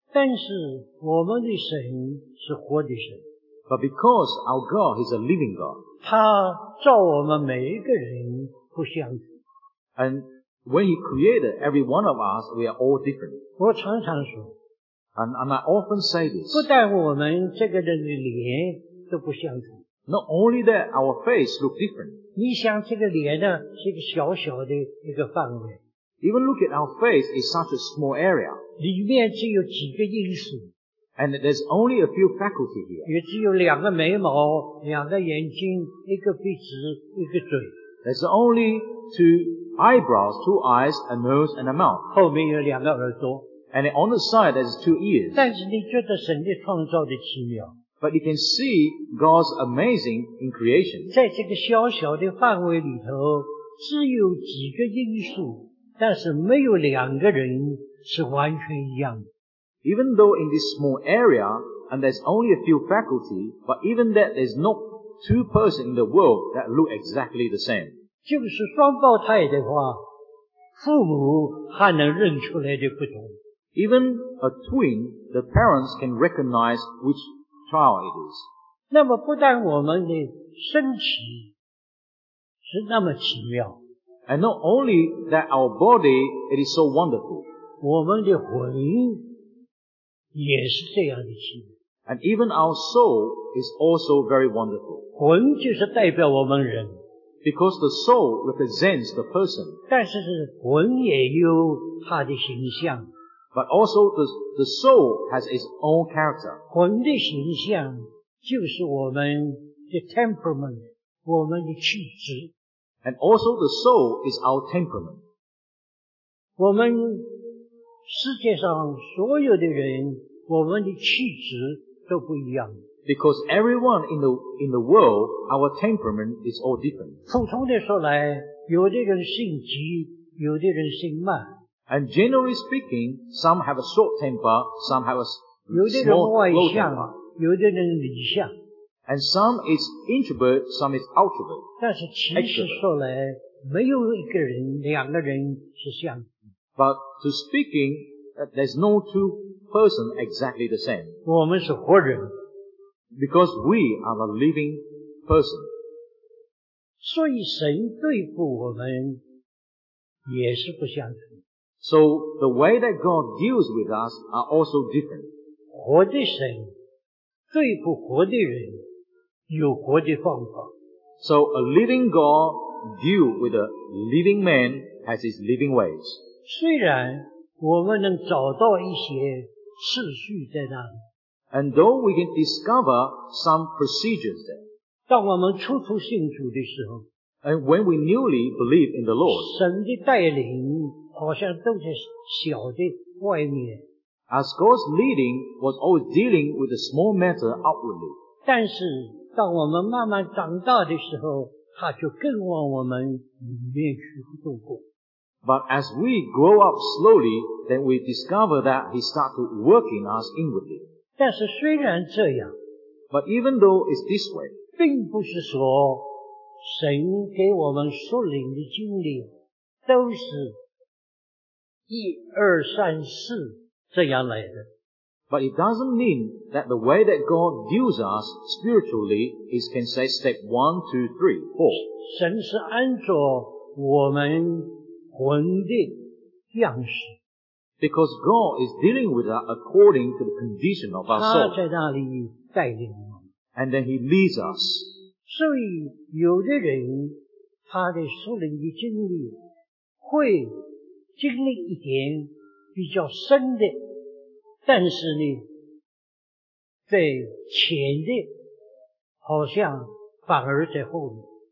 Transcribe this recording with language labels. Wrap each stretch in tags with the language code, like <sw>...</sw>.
<zh>但是我们的神是活的神。</zh> <en>But because our God is a living God,</en> <zh>他造我们每一个人不相同。</zh> <en>And when He created every one of us, we are all different.</en> <zh>我常常说。</zh> <en>And I often say this.</en> <zh>不但我们这个人的脸都不相同。</zh> <en>Not only that, our face look different.</en> <zh>你想这个脸呢，是一个小小的一个范围。</zh> <en>Even look at our face, it's such a small area.</en> <zh>里面只有几个因素。</zh> <en>And there's only a few faculty here.</en> <zh>也只有两个眉毛，两个眼睛，一个鼻子，一个嘴。</zh> <en>There's only two eyebrows, two eyes, a nose and a mouth.</en> <zh>后面有两个耳朵。</zh> <en>And on the side, there's two ears.</en> <zh>但是你觉得神的创造的奇妙。</zh> <en>But you can see God's amazing in creation.</en> <zh>在这个小小的范围里头，只有几个因素，但是没有两个人是完全一样的。</zh> <en>Even though in this small area, and there's only a few faculty, but even that there's not two persons in the world that look exactly the same.</en> <zh>就是双胞胎的话，父母还能认出来的不同。</zh> <en>Even a twin, the parents can recognize which child it is.</en> <zh>那么不但我们的身体是那么奇妙。</zh> <en>And not only that our body, it is so wonderful.</en> <zh>我们的魂也是这样的奇妙。</zh> <en>And even our soul is also very wonderful.</en> <zh>魂就是代表我们人。</zh> <en>Because the soul represents the person.</en> <zh>但是魂也有它的形象。</zh> <en>But also the soul has its own character.</en> <zh>魂的形象就是我们</zh> <en>the temperament,</en> <zh>我们的气质。</zh> <en>And also the soul is our temperament.</en> <zh>我们世界上所有的人，我们的气质都不一样。</zh> <en>Because everyone in the world, our temperament is all different.</en> <zh>普通的说来，有的人性急，有的人性慢。</zh> <en>And generally speaking, some have a short temper, some have a small temper.</en> <zh>有的人理想。</zh> <en>And some is introvert, some is outrovert.</en> <zh>但是其实说来，没有一个人，两个人是像。</zh> <en>But to speaking, there's no two persons exactly the same.</en> <zh>我们是活人。</zh> <en>Because we are a living person.</en> <zh>所以神对付我们也是不相同。</zh> <en>So the way that God deals with us are also different.</en> <zh>活的神对付活的人有活的方法。</zh> <en>So a living God deal with a living man has his living ways.</en> <zh>虽然我们能找到一些次序在那里。</zh> <en>And though we can discover some procedures there.</en> <zh>当我们初初信主的时候。</zh> <en>And when we newly believe in the Lord.</en> <zh>神的带领好像都在小的外面。</zh> <en>As God's leading was always dealing with a small matter outwardly.</en> <zh>但是当我们慢慢长大的时候，他就更往我们里面去动工。</zh> <en>But as we grow up slowly, then we discover that He starts to work in us inwardly.</en> <zh>但是虽然这样，</zh> <en>But even though it's this way,</en> <zh>并不是说神给我们属灵的经历都是一二三四这样来的。</zh> <en>But it doesn't mean that the way that God views us spiritually is can say step 1, 2, 3, 4.</en> <zh>神是按照我们魂的样式。</zh> <en>Because God is dealing with us according to the condition of our soul.</en> <zh>他在那里带领我们。</zh> <en>And then He leads us.</en> <zh>所以有的人他的属灵的经历会经历一点比较深的，但是呢，在前的，好像反而在后面。</zh>